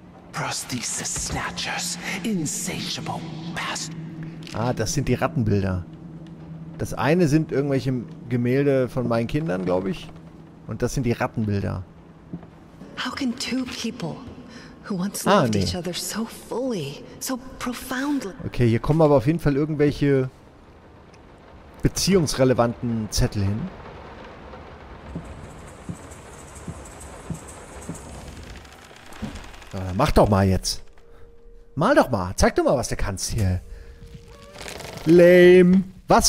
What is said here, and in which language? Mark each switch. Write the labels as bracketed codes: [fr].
[en] Prosthesis Snatchers. Insatiable Bastard. [de] Ah, das sind die Rattenbilder. Das eine sind irgendwelche Gemälde von meinen Kindern, glaube ich. Und das sind die Rattenbilder. [en] How can two people who once loved each other so fully, so profoundly? [de] Okay, hier kommen aber auf jeden Fall irgendwelche beziehungsrelevanten Zettel hin. Ja, mach doch mal jetzt. Mal doch mal. Zeig doch mal, was du kannst hier. Lame. Was?